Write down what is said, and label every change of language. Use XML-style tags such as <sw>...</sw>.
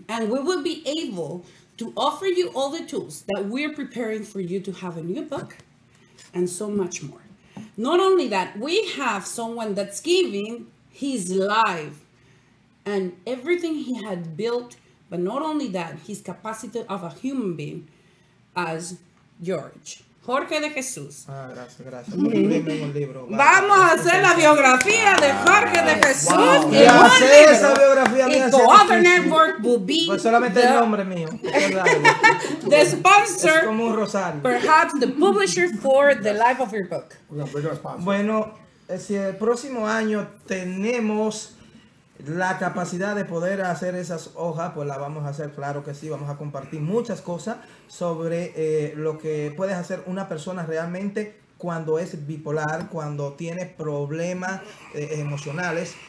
<en>And we will be able to offer you all the tools that we're preparing for you to have a new book. And so much more. Not only that, we have someone that's giving his life and everything he had built, but not only that, his capacity of a human being as George.</en> <es>Jorge de Jesús. Ah, gracias, gracias. Vale. Vamos a hacer la biografía de Jorge de Jesús. Wow. Y hacer esa biografía.</es> <en>Y Co-Author Network will be.</en> <es>Pues solamente el nombre mío.</es> <en>The sponsor.</en> <es>Es como un rosario.</es> <en>Perhaps the publisher for the life of your book.</en> <es>Bueno, si el próximo año tenemos la capacidad de poder hacer esas hojas, pues la vamos a hacer, claro que sí. Vamos a compartir muchas cosas sobre lo que puede hacer una persona realmente cuando es bipolar, cuando tiene problemas emocionales.</es>